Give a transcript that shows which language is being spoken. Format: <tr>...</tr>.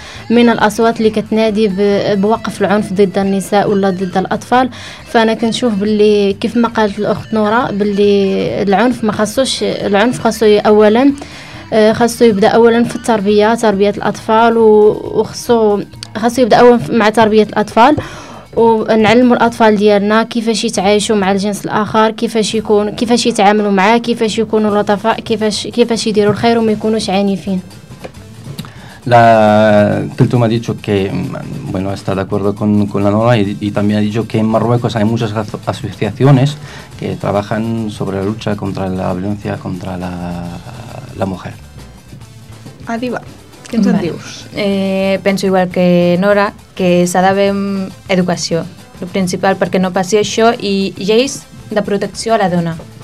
<ar>من الأصوات اللي كتنادي بوقف العنف ضد النساء ولا ضد الأطفال، فأنا كنشوف باللي كيف ما قالت الأخت نورة باللي العنف ما خصوش، العنف خصو أولا خصو يبدا اولا في تربيه الاطفال، وخصو يبدا اولا مع تربيه الاطفال، ونعلموا الاطفال ديالنا كيفاش يتعايشوا مع الجنس الاخر، كيفاش يتعاملوا معاه، كيفاش يكونوا لطفاء، كيفاش يديروا الخير وما يكونوش عنيفين.</ar> <es>La Kiltum ha dicho que, bueno, está de acuerdo con la Nora y también ha dicho que en Marruecos hay muchas asociaciones que trabajan sobre la lucha contra la violencia contra la mujer.</es> <ca>Adiba, ¿qué nos dius? Penso igual que Nora, que s'ha d'haver educació, el principal, perquè no passi això, i lleis de protecció a la dona.</ca>